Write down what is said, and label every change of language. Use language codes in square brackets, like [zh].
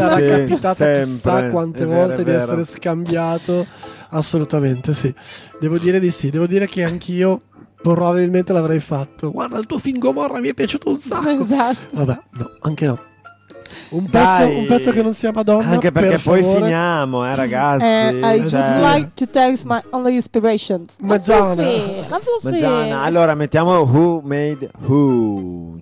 [it] sarà capitata chissà quante volte di essere scambiato. Assolutamente sì, devo dire di sì, devo dire che anch'io probabilmente l'avrei fatto. Guarda il tuo film Gomorra, mi è piaciuto un sacco. Esatto. Vabbè, no, anche no. Un pezzo che non sia Madonna. Anche perché per poi finiamo, ragazzi. [en] I just like to thank my only inspiration. Madonna. [it] Allora mettiamo Who Made Who.